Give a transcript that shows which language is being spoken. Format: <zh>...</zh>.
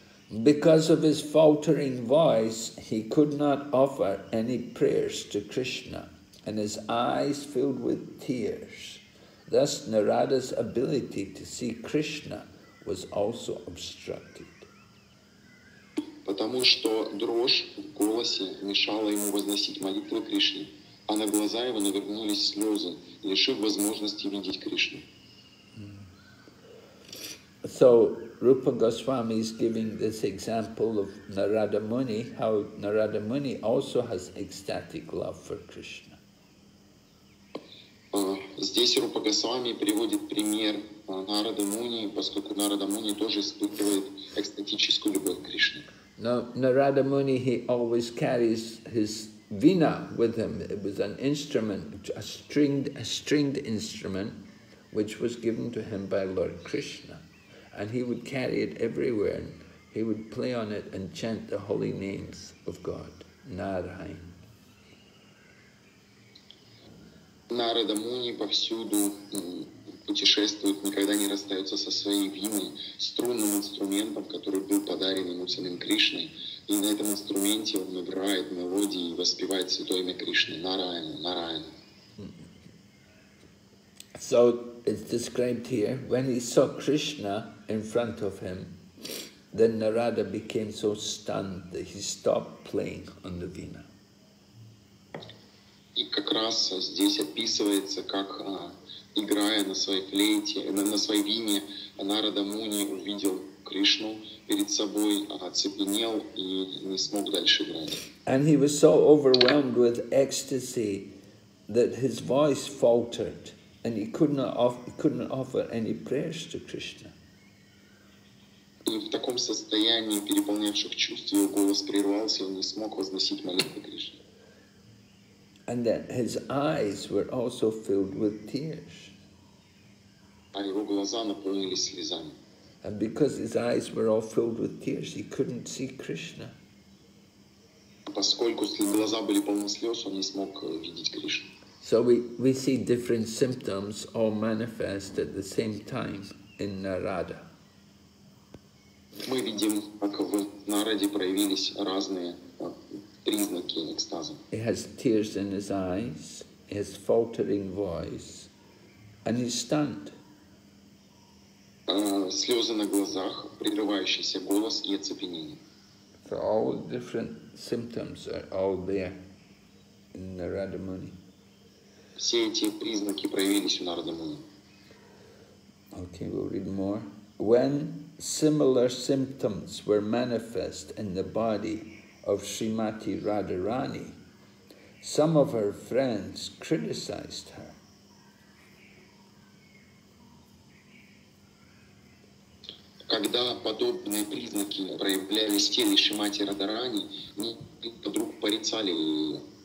<en>Because of his faltering voice, he could not offer any prayers to Krishna, and his eyes filled with tears. Thus, Narada's ability to see Krishna was also obstructed.</en> <ru>Потому что дрожь в голосе мешала ему возносить молитвы Кришне, а на глаза его навернулись слезы, лишив возможности видеть Кришну.</ru> <en>So, Rupa Goswami is giving this example of Narada Muni, how Narada Muni also has ecstatic love for Krishna.</en> <ru>Здесь Рупа Госвами приводит пример Нарада Муни, поскольку Нарада Муни тоже испытывает экстатическую любовь к Кришне. Но</ru> <en>Нарада Муни, he always carries his Vina with him. It was an instrument, a stringed instrument, which was given to him by Lord Krishna. And he would carry it everywhere. He would play on it and chant the holy names of God, Narayan.</en> <ru>Нарада Муни повсюду путешествует, никогда не расстается со своей виной, струнным инструментом, который был подарен ему самим Кришной. И на этом инструменте он играет мелодии и воспевает святое имя Кришны. Нараяна, Нараяна.</ru> <en>So, it's described here, when he saw Krishna in front of him, then Narada became so stunned that he stopped playing on the vina.</en> <ru>И как раз здесь описывается, как играя на своей флейте, на своей вине, Нарада Муни увидел Кришну перед собой, оцепенел и не смог дальше играть.</ru> <en>And he was so overwhelmed with ecstasy that his voice faltered, and he could not offer any prayers to Krishna.</en> <ru>И в таком состоянии переполнявших чувств его голос прервался, он не смог возносить молитву Кришне.</ru> <en>And that his eyes were also filled with tears.</en> <ru>А его глаза наполнились слезами.</ru> <en>And because his eyes were all filled with tears, he couldn't see Krishna.</en> <ru>Поскольку глаза были полны слез, он не смог видеть Кришну.</ru> <en>So we see different symptoms all manifest at the same time in Narada.</en> <ru>Мы видим, как в Нараде проявились разные признаки экстаза.</ru> <en>He has tears in his eyes, his faltering voice, and he's stunned.</en> <ru>Слезы на глазах, прерывающийся голос и оцепенение.</ru> <en>So all different symptoms are all there in Narada Muni.</en> <ru>Все эти признаки проявились в Нарада Муни.</ru> <en>Okay, we'll read more. When similar symptoms were manifest in the body of Srimati Radharani, some of her friends criticized her.</en> <ru>Когда подобные признаки проявлялись в теле Шримати Радарани, они вдруг порицали ее.</ru>